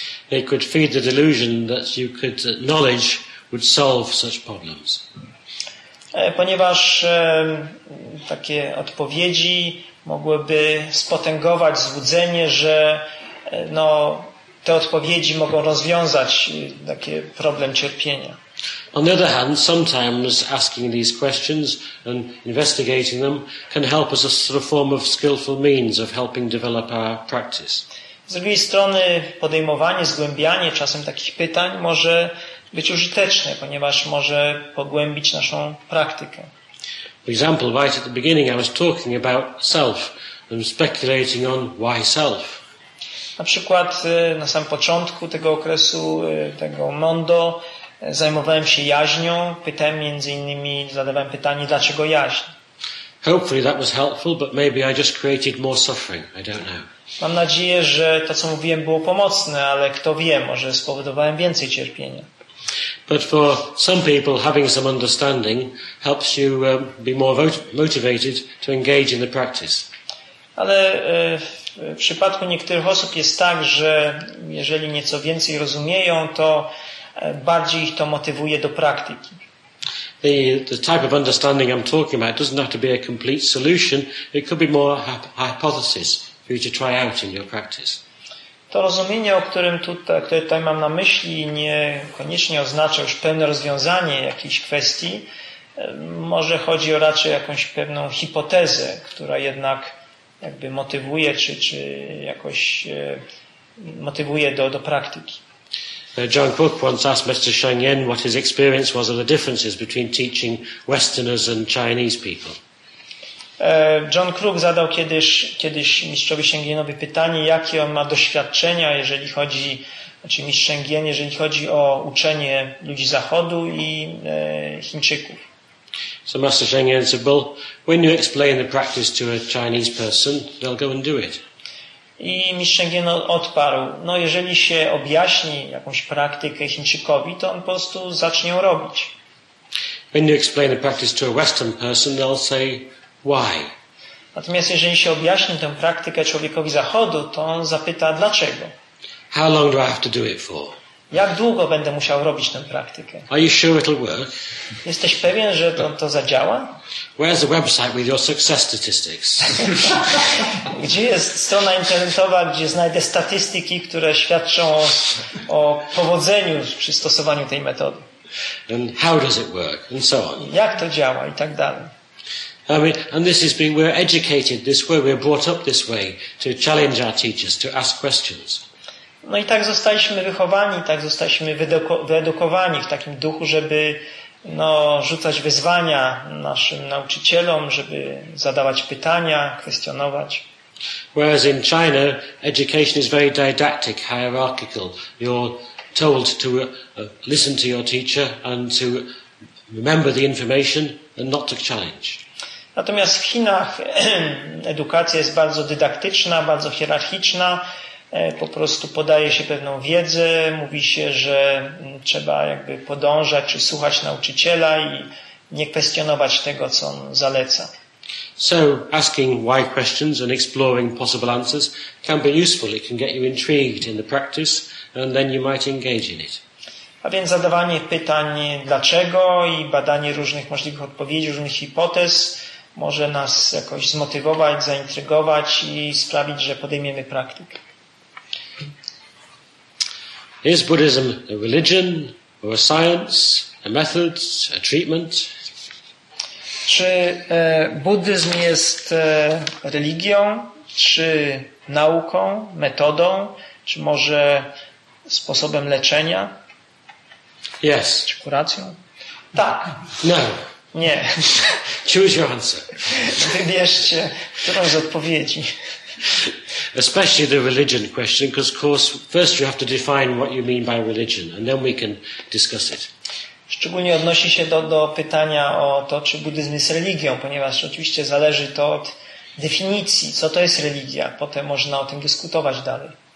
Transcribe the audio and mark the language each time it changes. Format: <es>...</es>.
<en>They could feed the delusion that you could knowledge would solve such problems.</en> <pl>Ponieważ takie odpowiedzi mogłyby spotęgować złudzenie, że no, te odpowiedzi mogą rozwiązać taki problem cierpienia.</pl> <en>On the other hand, sometimes asking these questions and investigating them can help us as a form of skillful means of helping develop our practice.</en> <pl>Z drugiej strony podejmowanie, zgłębianie czasem takich pytań może być użyteczne, ponieważ może pogłębić naszą praktykę.</pl> <en>For example, right at the beginning I was talking about self and speculating on why self.</en> <pl>Na przykład na samym początku tego okresu, tego mondo, zajmowałem się jaźnią, pytałem między innymi, zadawałem pytanie, dlaczego jaźń?</pl> <en>Hopefully that was helpful, but maybe I just created more suffering. I don't know.</en> <pl>Mam nadzieję, że to, co mówiłem, było pomocne, ale kto wie, może spowodowałem więcej cierpienia.</pl> <en>But for some people, having some understanding helps you be more motivated to engage in the practice.</en> <pl>Ale w przypadku niektórych osób jest tak, że jeżeli nieco więcej rozumieją, to bardziej ich to motywuje do praktyki.</pl> <en>The type of understanding I'm talking about doesn't have to be a complete solution. It could be more hypothesis for you to try out in your practice.</en> <pl>To rozumienie, o którym tutaj, które tutaj mam na myśli, nie koniecznie oznacza już pewne rozwiązanie jakiejś kwestii. Może chodzi o raczej jakąś pewną hipotezę, która jednak jakby motywuje, czy jakoś motywuje do praktyki.</pl> <en>John Cook once asked Mr. Sheng Yen what his experience was of the differences between teaching Westerners and Chinese people.</en> <pl>John Cook zadał kiedyś mistrzowi Sheng Yenowi pytanie, jakie on ma doświadczenia, jeżeli chodzi, znaczy mistrz Sheng Yen, jeżeli chodzi o uczenie ludzi Zachodu i Chińczyków.</pl> <en>So Master Sheng Yen said, well, when you explain the practice to a Chinese person, they'll go and do it.</en> <pl>I mistrz Sheng Yen odparł, no jeżeli się objaśni jakąś praktykę Chińczykowi, to on po prostu zacznie ją robić.</pl> <en>When you explain the practice to a Western person, they'll say, why?</en> <pl>Natomiast jeżeli się objaśni tę praktykę człowiekowi Zachodu, to on zapyta, dlaczego?</pl> <en>How long do I have to do it for?</en> <pl>Jak długo będę musiał robić tę praktykę?</pl> <en>Are you sure it'll work?</en> <pl>Jesteś pewien, że to zadziała?</pl> <en>Where's the website with your success statistics?</en> <pl>Gdzie jest strona internetowa, gdzie znajdę statystyki, które świadczą o powodzeniu przy stosowaniu tej metody?</pl> <en>And how does it work? And so on.</en> <pl>Jak to działa i tak dalej.</pl> <en>I mean, and this is being, we're educated this way, we're brought up this way to challenge our teachers, to ask questions.</en> <pl>No i tak zostaliśmy wychowani, tak zostaliśmy wyedukowani w takim duchu, żeby no, rzucać wyzwania naszym nauczycielom, żeby zadawać pytania, kwestionować.</pl> <en>Whereas in China, education is very didactic, hierarchical. You're told to listen to your teacher and to remember the information and not to challenge.</en> <pl>Natomiast w Chinach edukacja jest bardzo dydaktyczna, bardzo hierarchiczna. Po prostu podaje się pewną wiedzę, mówi się, że trzeba jakby podążać czy słuchać nauczyciela i nie kwestionować tego, co on zaleca.</pl> <en>So asking why questions and exploring possible answers can be useful. It can get you intrigued in the practice and then you might engage in it.</en> <pl>A więc zadawanie pytań dlaczego i badanie różnych możliwych odpowiedzi, różnych hipotez może nas jakoś zmotywować, zaintrygować i sprawić, że podejmiemy praktykę.</pl> <en>Is Buddhism a religion, or a science, a method, a treatment?</en> <pl>Czy buddyzm jest religią, czy nauką, metodą, czy może sposobem leczenia?</pl> <en>Yes.</en> <pl>Czy kuracją? Tak.</pl> <en>No.</en> <pl>Nie.</pl> <en>Choose your answer.</en> <pl>Wybierzcie którą z odpowiedzi.</pl> <en>Especially the religion question, because of course first you have to define what you mean by religion, and then we can discuss it. W</en> <pl>Szczególnie odnosi się do pytania o to, czy buddyzm jest religią, ponieważ oczywiście zależy to od definicji, co to jest religia. Potem można o tym dyskutować dalej.</pl>